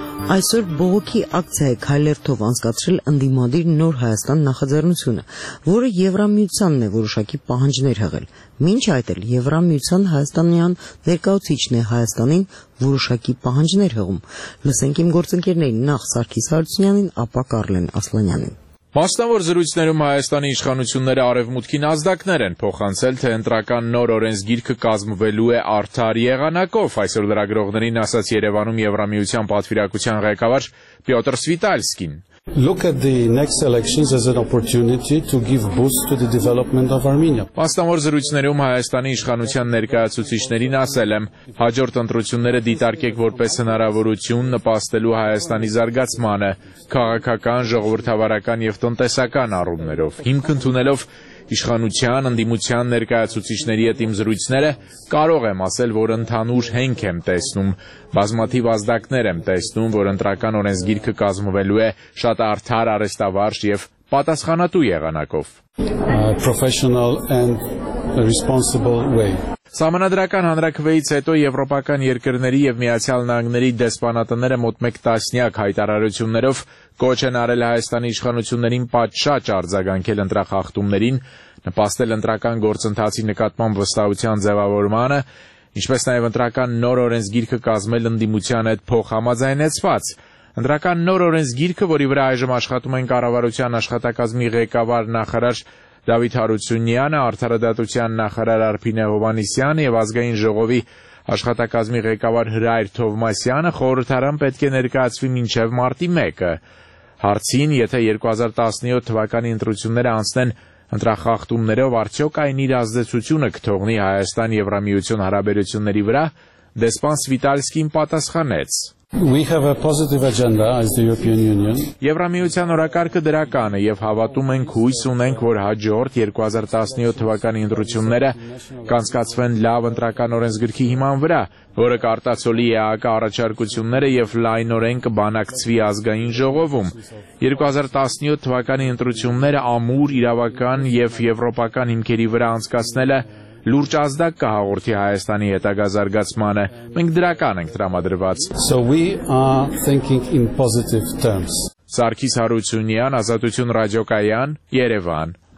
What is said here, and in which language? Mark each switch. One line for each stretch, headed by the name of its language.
Armenian: Այսօր բողոքի ակցիա է քայլերթով անցկացրել ընդդիմադիր Նոր Հայաստան նախաձեռնությունը, որը Եվրամիությանն է որոշակի պահանջներ հղել։ Մինչ այդ էլ Եվրամիության հայաստանյան ներկայացուցիչն է Հայաստանին որոշակի պահանջներ հղում։ Լսենք իմ գործընկերներին՝ նախ Սարգիս Հարությունյանին, ապա Կարլեն Ասլանյանին։ Մասնավոր զրույցներում Հայաստանի իշխանությունները արևմուտքին ազդակներ են փոխանցել, թե ընտրական նոր օրենսգիրքը կազմվելու է արդար եղանակով, այսօր լրագրողներին ասաց Երևանում Եվրամիության պատվիրակության ղեկավար Պյոտր Սվիտալսկին.
English: Look at the next elections as an opportunity to give boost to the development of Armenia.
Armenian: Պաստամոր զրույցներում Հայաստանի իշխանության ներկայացուցիչներին ասել եմ, հաջորդ ընտրությունները դիտարկեք որպես հնարավորություն նպաստելու Հայաստանի զարգացմանը քաղաքական, ժողովրդավարական եւ տնտեսական առումներով։ Հիմք ընդունելով իշխանության ընդդիմության ներկայացուցիչների հետ իմ զրույցները, կարող եմ ասել, որ ընդհանուր հենք եմ տեսնում, բազմաթիվ ազդակներ եմ տեսնում, որ ընտրական օրենսգիրքը կազմվելու է շատ արդար, արեստավարժ եւ պատասխանատու եղանակով։
English: Professional and responsible way.
Armenian: Սահմանադրական հանրաքվեից հետո եվրոպական երկրների եւ միացյալ նահանգների դեսպանատները մոտ 1 տասնյակ հայտարարություններով կոչ են արել Հայաստանի իշխանություններին պատշաճ արձագանքել ընտրախախտումներին, նպաստել ընտրական գործընթացի նկատմամբ վստահության ձևավորմանը, ինչպես նաև ընտրական նոր օրենսգիրքը կազմել ընդդիմության այդ փոխհամաձայնեցված։ Ընտրական նոր օրենսգիրքը, որի վրա այժմ աշխատում են կառավարության աշխատակազմի ղեկավար նախարար Դավիթ Հարությունյանը, արդարադատության նախարար Արփինե Հովանիսյանը եւ ազգային ժողովի աշխատակազմի ղեկավար Հրայր Թովմասյանը խորհրդարան պետք է ներկայացվի մինչև մարտի 1-ը։ Հարցին, եթե 2017 թվականի ընտրությունները անցնեն ընտրախախտումներով, արդյոք այն իր ազդեցությունը կթողնի Հայաստան-Եվրամիություն հարաբերությունների վրա, դեսպան Սվիտալսկին պատասխանեց.
English: We have a positive agenda as the European Union.
Armenian: Եվրամիության օրակարգը դրական է եւ հավատում ենք, հույս ունենք, որ հաջորդ 2017 թվականի ընտրությունները կանցկացվեն լավ ընտրական օրենսգրքի հիման վրա, որը կարտացոլի ԵԱԿ-ի առաջարկությունները եւ լայնորեն կբանակցվի ազգային ժողովում։ 2017 թվականի ընտրությունները ամուր իրավական եւ եվրոպական հիմքերի վրա անցկացնելը լուրջ ազդակ կհաղորդի Հայաստանի հետագա զարգացմանը, մենք դրական ենք տրամադրված։
English: So we are thinking in positive terms.
Armenian: Սարգիս Հարությունյան, Ազատություն ռադիոկայան, Երևան։